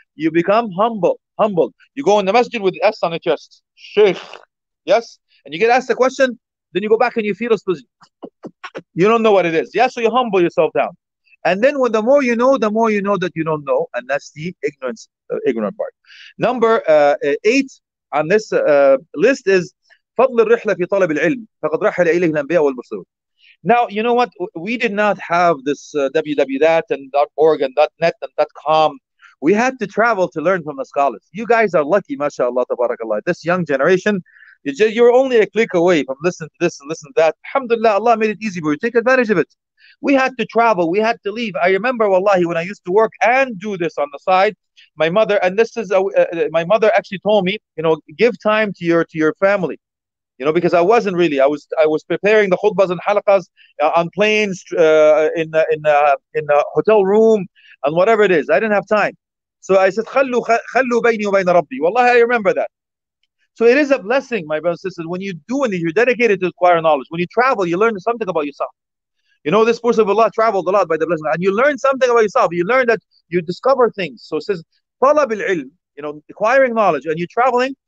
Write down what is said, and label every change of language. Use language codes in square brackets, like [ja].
[en] You become humble. You go in the masjid with S on the chest, Sheikh, yes? And you get asked a question, then you go back and you feel a position. You don't know what it is. Yeah, so you humble yourself down. And then when the more you know that you don't know, and that's the ignorance, ignorant part. Number eight on this list is [ar] فضل الرحلة في طلب العلم فقد رحل إليه الأنبياء والمرسلون. [en] Now, you know what? We did not have this www.org and .net and .com. We had to travel to learn from the scholars. You guys are lucky, mashallah, tabarakallah. This young generation, you're only a click away from listening to this and listening to that. Alhamdulillah, Allah made it easy for you. Take advantage of it. We had to travel. We had to leave. I remember, wallahi, when I used to work and do this on the side, my mother, and this is, my mother actually told me, you know, give time to your family. You know, because I wasn't really. I was preparing the khutbas and halaqas on planes, in a hotel room, and whatever it is. I didn't have time. So I said, [ar] خلوا بيني وبين ربي. [en] Wallahi, I remember that. So it is a blessing, my brothers and sisters, when you do and you're dedicated to acquire knowledge. When you travel, you learn something about yourself. You know, this person of Allah traveled a lot by the blessing. And you learn something about yourself. You learn that you discover things. So it says, طلب العلم, you know, acquiring knowledge, and you're traveling.